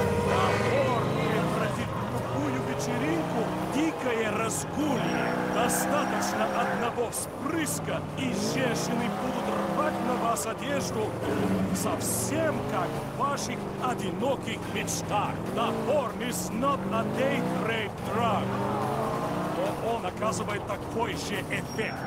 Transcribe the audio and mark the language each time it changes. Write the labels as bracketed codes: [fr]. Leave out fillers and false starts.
[ru] Набор превратит в тупую вечеринку дикое разгулье. Достаточно одного вспрыска, и женщины будут рвать на вас одежду, совсем как в ваших одиноких мечтах. [en] The horn is not a date rape drug. [ru] Но он оказывает такой же эффект.